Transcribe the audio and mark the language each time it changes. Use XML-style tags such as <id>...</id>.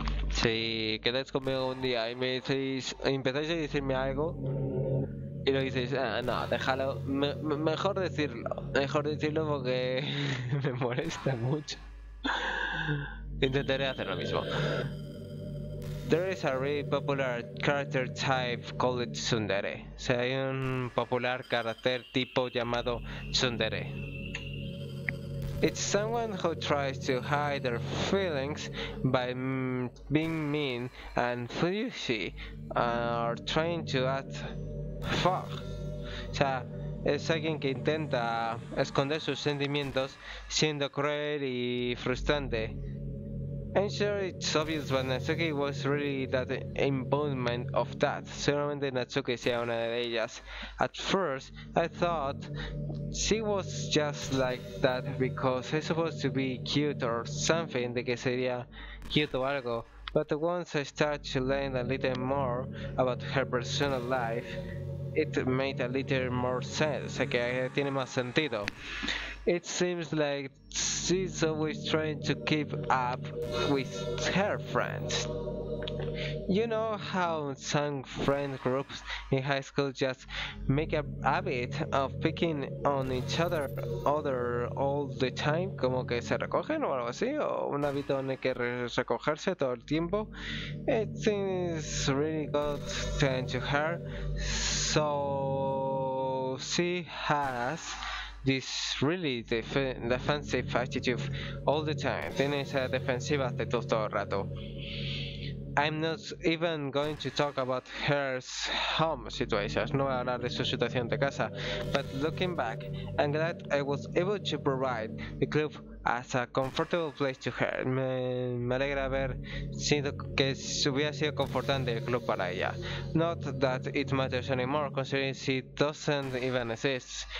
<es>Si quedáis conmigo un día y me decís, empezáis a decirme algo... Y lo dices, ah, no, déjalo, mejor decirlo porque me molesta mucho. Intentaré hacer lo mismo.</es> <en>There is a really popular character type called Tsundere.</en> <es>O sea, hay un popular carácter tipo llamado Tsundere.</es> <en>It's someone who tries to hide their feelings by being mean and pushy or trying to act. Fuck.</en> <es>O sea, es alguien que intenta esconder sus sentimientos siendo cruel y frustrante.</es> <en>I'm sure it's obvious, but Natsuki was really that embodiment of that.</en> <es>Seguramente Natsuki sea una de ellas.</es> <en>At first, I thought she was just like that because she's supposed to be cute or something,</en> <es>de que sería cute o algo.</es> <en>But once I start to learn a little more about her personal life, it made a little more sense,</en> <es>que okay, tiene más sentido.</es> <en>It seems like she's always trying to keep up with her friends. You know how some friend groups in high school just make a habit of picking on each other all the time?</en> <es>Como que se recogen o algo así, o un hábito en el que recogerse todo el tiempo.</es> <en>It seems really good turn to her. So she has this really defensive attitude all the time.</en> <es>Tiene esa defensiva actitud todo el rato.</es> <en>I'm not even going to talk about her home situations.</en> <es>No voy a hablar de su situación de casa.</es> <en>But looking back, I'm glad I was able to provide the club as a comfortable place to her.</en> <es>Me alegra haber sido que hubiera sido confortante el club para ella.</es> <en>Not that it matters anymore, considering she doesn't even exist.</en>